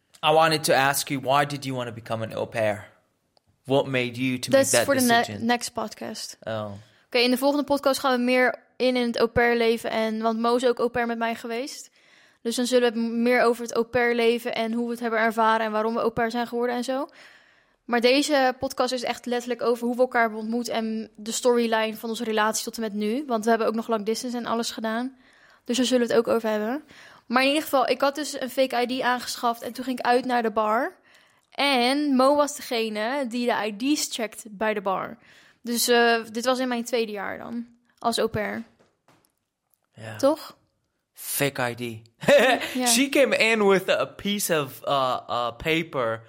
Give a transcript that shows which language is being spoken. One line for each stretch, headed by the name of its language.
English: I wanted to ask you, why did you want to become an au pair? What made you to That's make that for decision? That's for the next podcast. Oh.
Dutch: Oké, in de volgende podcast gaan we meer in het au pair leven. En, want Mo is ook au pair met mij geweest. Dus dan zullen we meer over het au pair leven en hoe we het hebben ervaren en waarom we au pair zijn geworden en zo. Maar deze podcast is echt letterlijk over hoe we elkaar hebben ontmoet en de storyline van onze relatie tot en met nu. Want we hebben ook nog long distance en alles gedaan. Dus daar zullen we het ook over hebben. Maar in ieder geval, ik had dus een fake ID aangeschaft en toen ging ik uit naar de bar. En Mo was degene die de ID's checkt bij de bar. Dus dit was in mijn tweede jaar dan, als au pair. Ja. Toch? Fake ID. Ja.
English: She came in with a piece of paper,